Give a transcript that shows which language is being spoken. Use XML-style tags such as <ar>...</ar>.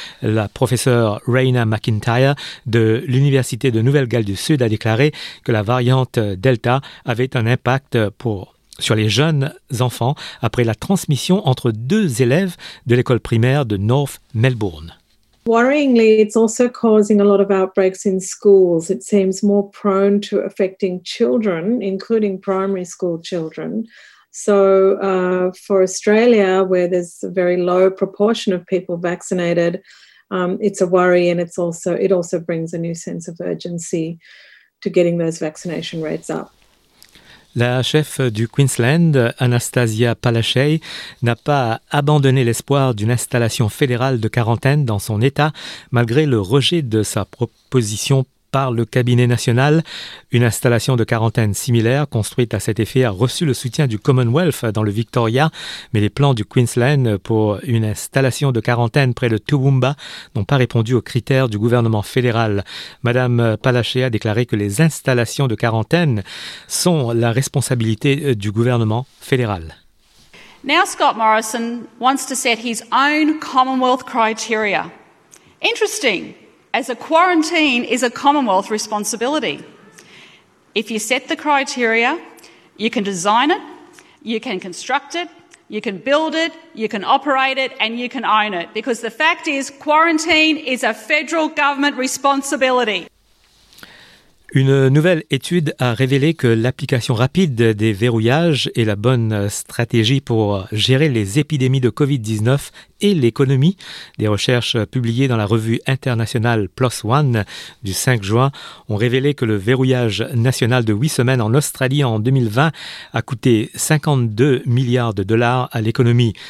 <fr>La professeure Raina McIntyre de l'Université de Nouvelle-Galles du Sud a déclaré que la variante Delta avait un impact sur les jeunes enfants après la transmission entre deux élèves de l'école primaire de North Melbourne.</fr> <en>Worryingly, it's also causing a lot of outbreaks in schools. It seems more prone to affecting children, including primary school children. So for Australia, where there's a very low proportion of people vaccinated, it's a worry, and it also brings a new sense of urgency to getting those vaccination rates up.</en> <fr>La chef du Queensland, Anastasia Palaszczuk, n'a pas abandonné l'espoir d'une installation fédérale de quarantaine dans son État, malgré le rejet de sa proposition par le cabinet national. Une installation de quarantaine similaire, construite à cet effet, a reçu le soutien du Commonwealth dans le Victoria. Mais les plans du Queensland pour une installation de quarantaine près de Toowoomba n'ont pas répondu aux critères du gouvernement fédéral. Madame Palaszczuk a déclaré que les installations de quarantaine sont la responsabilité du gouvernement fédéral.</fr> <en>Now Scott Morrison wants to set his own Commonwealth criteria. Interesting. As a quarantine is a Commonwealth responsibility. If you set the criteria, you can design it, you can construct it, you can build it, you can operate it, and you can own it. Because the fact is, quarantine is a federal government responsibility.</en> <fr>Une nouvelle étude a révélé que l'application rapide des verrouillages est la bonne stratégie pour gérer les épidémies de Covid-19 et l'économie. Des recherches publiées dans la revue internationale PLOS ONE du 5 juin ont révélé que le verrouillage national de 8 semaines en Australie en 2020 a coûté 52 milliards de dollars à l'économie.</fr>